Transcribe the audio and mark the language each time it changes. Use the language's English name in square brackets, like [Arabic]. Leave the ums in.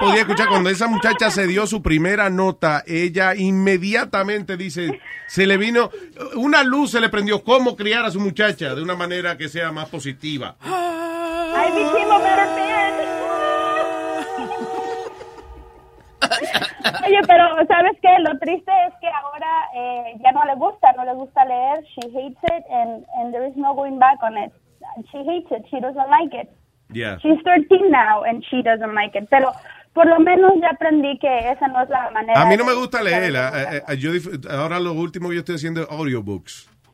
[Spanish] podido escuchar, ah, cuando esa muchacha ah, se dio su primera nota, ella inmediatamente dice, se le vino, una luz se le prendió, cómo criar a su muchacha de una manera que sea más positiva. [English] I [Spanish] Oye, pero ¿sabes qué? Lo triste es que ahora eh, ya no le gusta, no le gusta leer. [English] She hates it and, and there is no going back on it. She hates it, she doesn't like it. Yeah. She's 13 now and she doesn't like it. [Spanish] Pero por lo menos ya aprendí que esa no es la manera. A mí no me gusta, gusta leer. leer. A, a, a, Judith, ahora lo último que yo estoy haciendo es audiobooks.